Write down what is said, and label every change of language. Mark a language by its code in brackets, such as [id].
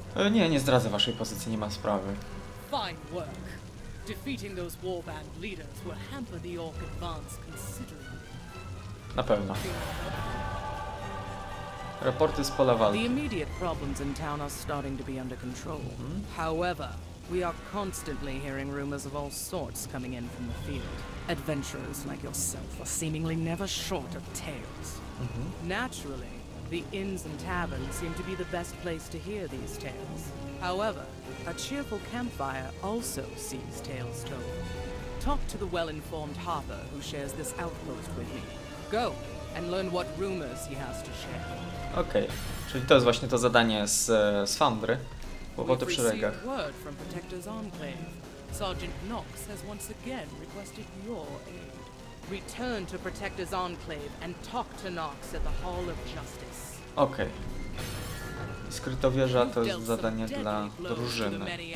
[pl] Nie, nie zdradzę waszej pozycji, nie ma sprawy. [en] Fine work. Defeating those warband leaders will hamper the orc advance considerably. [pl] Na pewno. Raporty z pola walki. [en] The immediate problems in town are starting to be under control. However, we are constantly hearing rumors of all sorts coming in from the field. Adventurers like yourself are seemingly never short of tales. Naturally, the inns and taverns seem to be the best place to hear these tales. However, a cheerful campfire also sees tales told. Talk to the well-informed harper who shares this outpost with me. Go and learn what rumors he has to share. [pl] Okay, czyli to jest właśnie to zadanie z Fandry. Łopoty przy rękach. [en] We've received word from Protector's Enclave. Sergeant Knox has once again requested your aid. Return to Protector's Enclave and talk to Knox at the Hall of Justice. Okej. Okay. [pl] Skrytowierza to jest zadanie dla drużyny.